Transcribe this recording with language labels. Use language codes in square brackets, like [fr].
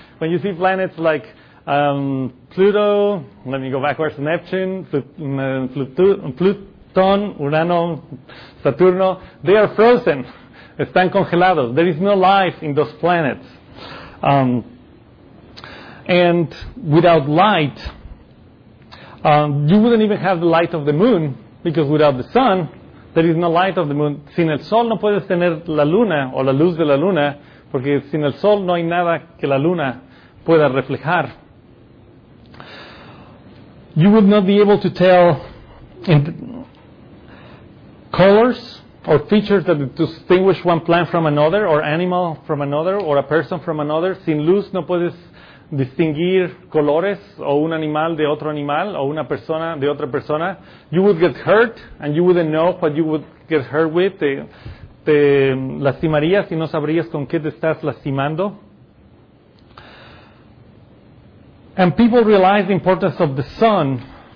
[en] When you see planets like Pluto, let me go backwards, Neptune, Plutón, Urano, Saturno, they are frozen. [es] Están congelados. [en] There is no life in those planets. And without light, you wouldn't even have the light of the moon, because without the sun, there is no light of the moon. [es] Sin el sol no puedes tener la luna o la luz de la luna, porque sin el sol no hay nada que la luna pueda reflejar. [en] You would not be able to tell colors or features that distinguish one plant from another, or animal from another, or a person from another. [es] Sin luz no puedes distinguir colores o un animal de otro animal o una persona de otra persona. [en] You would get hurt and you wouldn't know what you would get hurt with. [es] Te lastimarías y no sabrías con qué te estás lastimando. [en] And people realize the importance of the sun.